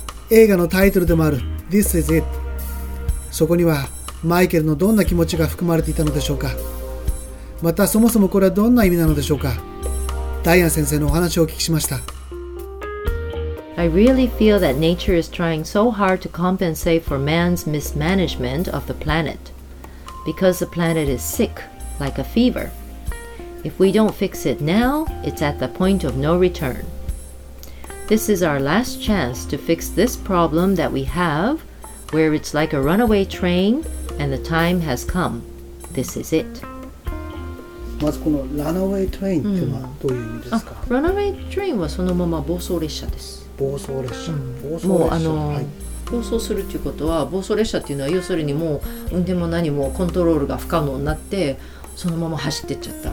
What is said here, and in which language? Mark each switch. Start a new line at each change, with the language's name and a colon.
Japanese: 映画のタイトルでもある This is it、 そこにはマイケルのどんな気持ちが含まれていたのでしょうか。またそもそもこれはどんな意味なのでしょうか。ダイアン先生のお話をお聞きしました。
English: I really feel that nature is trying so hard to compensate for man's mismanagement of the planet, because the planet is sick, like a fever. If we don't fix it now, it's at the point of no return. This is our last chance to fix this problem that we have, where it's like a runaway train, and the time has come. This is it.
Japanese: まずこのランアウェイトレインってのはどういう意味ですか。ランアウェイトレインはそのまま暴走列車です。暴走列車、もう暴走するっていうことは、暴走列車っていうのは要するにもう運転も何もコントロールが不可能になってそのまま走っていっちゃった。